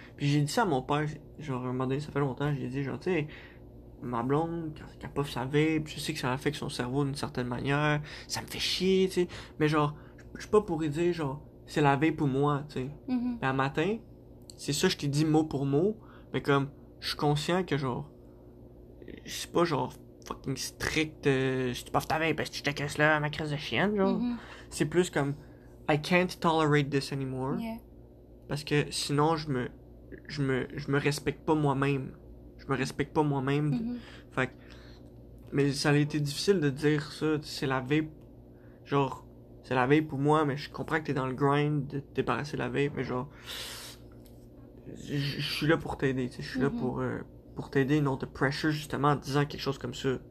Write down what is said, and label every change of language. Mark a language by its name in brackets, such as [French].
[French] Puis j'ai dit ça à mon père, genre un moment donné, ça fait longtemps, j'ai dit genre, tu sais, ma blonde, quand elle puff sa vape, je sais que ça affecte son cerveau d'une certaine manière, ça me fait chier, tu sais. Mais genre... Je suis pas pour y dire, genre, c'est la vape pour moi, tu sais. Mm-hmm. Mais un matin, c'est ça, je t'ai dit mot pour mot, mais comme, je suis conscient que, genre, je suis pas, genre, [English] fucking strict, [French] si tu puffes ta vape, si tu te casses là, ma crise de chienne, genre. Mm-hmm. C'est plus comme, [English] I can't tolerate this anymore. Yeah. [French] Parce que sinon, je me respecte pas moi-même. Je me respecte pas moi-même. Mm-hmm. Fait que, mais ça a été difficile de dire ça, c'est la vape, genre, c'est la vape pour moi, mais je comprends que t'es dans le grind de te débarrasser de la vape, mais genre, je suis là pour t'aider, tu sais, je suis là pour t'aider, non, te pressure justement en disant quelque chose comme ça.